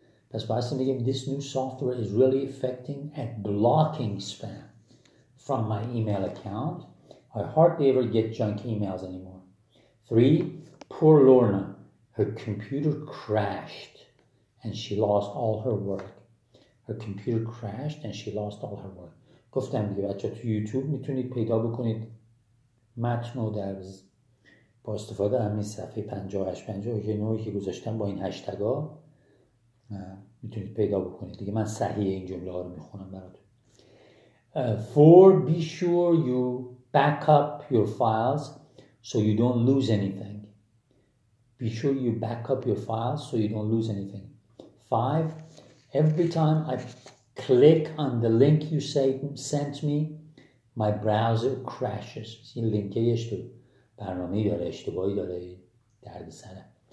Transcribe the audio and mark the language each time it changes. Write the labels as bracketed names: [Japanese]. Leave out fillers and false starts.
[English] That's why I said again, this new software is really effective at blocking spam from my email account. I hardly ever get junk emails anymore. 3. Poor Lorna. Her computer crashed and she lost all her work. Her computer crashed and she lost all her work. [Persian] گفتم دیگه بچه تو یوتیوب میتونید پیدا بکنید متن و درس با استفاده همین صفحه 58 نوعی که گذاشتم با این هشتگا میتونید پیدا بکنید. دیگه من صحیح این جمله ها رو میخونم برات. 4. [English] Be sure you back up your files so you don't lose anything. Be sure you back up your files so you don't lose anything. 5. Every time I click on the link you sent me, my browser crashes. [Persian] این لینک یه اشتباه برنامه‌ای داره، اشتباهی داره، درد سر.